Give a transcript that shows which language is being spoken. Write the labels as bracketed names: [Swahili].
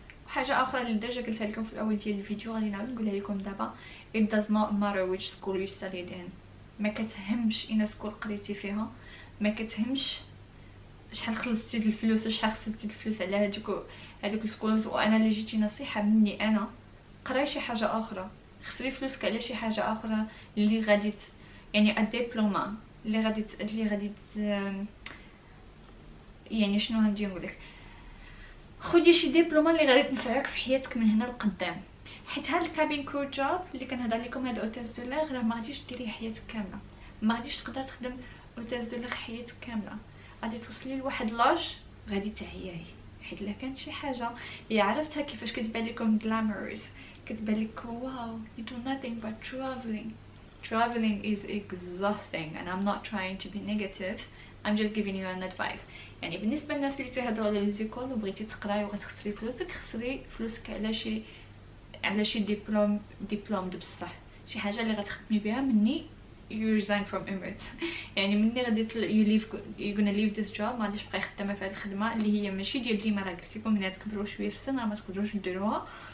[Arabic] حاجة أخرى اللي درجة قلتها لكم في الأول ديال الفيديو غادي نقولها لكم دابا. [English] It does not matter which school you studied in. [Arabic] ما كتهمش إن سكول قريتي فيها, ما كتهمش شحال خلصتي الفلوس وشحال خسرتي الفلوس على هذوك السكول. وأنا اللي جيتي نصيحة مني أنا, قراي شي حاجة أخرى, خسري فلوسك على شي حاجة أخرى اللي غادي يعني الدبلومة اللي غادي يعني شنو غادي نقول لك, خدي شي دبلومه اللي غادي تنفعك في حياتك من هنا لقدام. حيت هاد الكابين كرو جوب اللي كنهضر لكم هاد اوتيز دو لاغ, راه ما غاديش ديري حياتك كامله, ما غاديش تقدر تخدم اوتيز دو لاغ حياتك كامله. غادي توصلي لواحد لاج غادي تعياي, حيت الا كانت شي حاجه اللي عرفتها كيفاش كتبان لكم جلاموريز, كتبان لكم واو, [English] You do nothing but traveling. Traveling is exhausting and I'm not trying to be negative, I'm just giving you an advice. [Arabic] يعني بالنسبة للناس اللي تهدروا على الزيكول وبغيتي تقراي وغتخسري فلوسك, خسري فلوسك على شي ديبلوم دي بصح, شي حاجة اللي غتخدمي بها مني [English] you resign from emirates. [Arabic] يعني مني غادي [English] you're gonna leave this job, [Arabic] ما غاديش تبقاي خدامة في هذه الخدمة اللي هي ماشي ديال ديما, راه قلت لكم انها تكبروا شوية في السن ما تقدروش ديروها.